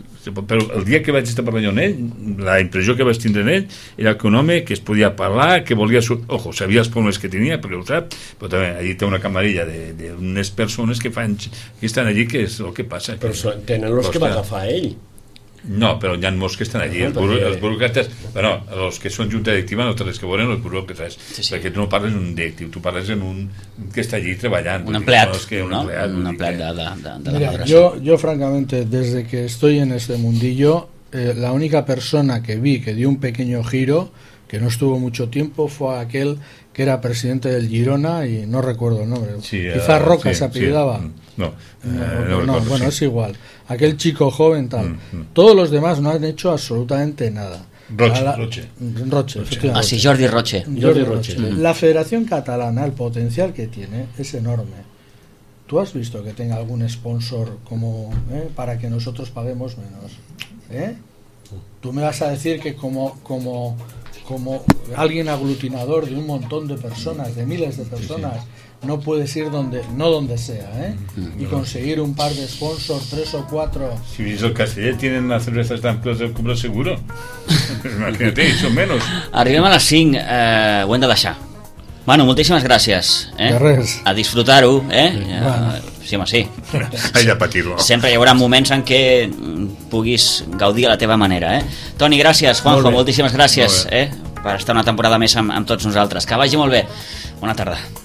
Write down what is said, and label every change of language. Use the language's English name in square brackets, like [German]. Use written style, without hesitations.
[Catalan] però el dia que vaig estar parlant amb ell, la impressió que vaig tindre en ell era que un home que es podia parlar, que volia, ojo, sabia els problemes que tenia perquè ho sap, però també allí té una camarilla d'unes persones que fan que estan allí, que és el que passa, però que, tenen els que va agafar ell. No, però hi ha molts que estan allí, els burocrates, però bueno, els que són junta directiva no tenen que veure els burocrates, perquè tu no parles en un directiu, tu parles en un que està allí treballant. Un empleat, no? Un empleat de la madrassa. Jo, francament, des que [Spanish] estoy en este mundillo, la única persona que vi que dio un pequeño giro, que no estuvo mucho tiempo, fue aquel que era presidente del Girona, y no recuerdo el nombre, sí, quizá Roca, sí, se apellidaba. Sí. No, bueno, sí. Es igual. Aquel chico joven tal. Todos los demás no han hecho absolutamente nada. Roche. Así, Jordi Roche. Jordi Roche. La Federación Catalana, el potencial que tiene es enorme. ¿Tú has visto que tenga algún sponsor como para que nosotros paguemos menos? ¿Tú me vas a decir que como como alguien aglutinador de un montón de personas, de miles de personas, sí, sí, no puedes ir donde, no donde sea, ¿eh? Y conseguir un par de sponsors, tres o cuatro. Si sí, esos Castellet tienen una cerveza tan plus del cumbre seguro. Imagínate, eso menos. [Catalan] Arribem a las 5, ho hem de deixar. Bueno, moltíssimes gràcies, eh? De res. A disfrutar-ho, eh? Sí, sí, home, sí. Ai, a patir-lo. Sempre hi haurà moments en què puguis gaudir a la teva manera, eh? Toni, gràcies, Juanjo, molt moltíssimes gràcies, eh? Per estar una temporada més amb tots nosaltres. Que vagi molt bé. Bona tarda.